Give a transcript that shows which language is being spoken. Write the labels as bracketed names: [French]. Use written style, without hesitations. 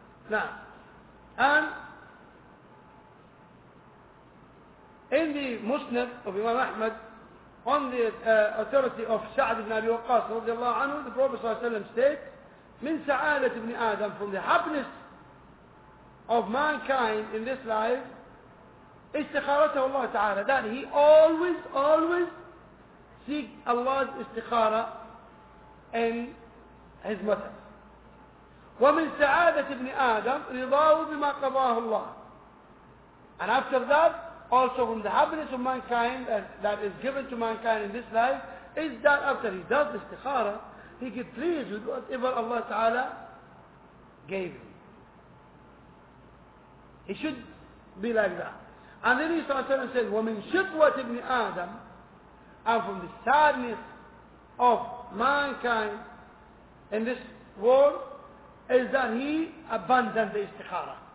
[English] Now, and in the Musnad of Imam Ahmad, on the authority of Sa'd ibn Abi Waqqas radiallahu anhu, the Prophet states, من سعادة ابن آدم, from the happiness of mankind in this life, استخارته الله تعالى, that he always, always seek Allah's استخارة in his matter. [Arabic] ومن سعادة ابن آدم رضاه بما قضاه الله. [English] And after that, also from the happiness of mankind that is given to mankind in this life, is that after he does استخارة, he get pleased with whatever Allah Ta'ala gave him. He should be like that. And then he started to say, وَمِنْ شِطْوَةِ ابْنِ آدَمِ, and from the sadness of mankind in this world, is that he abandoned the istikhara.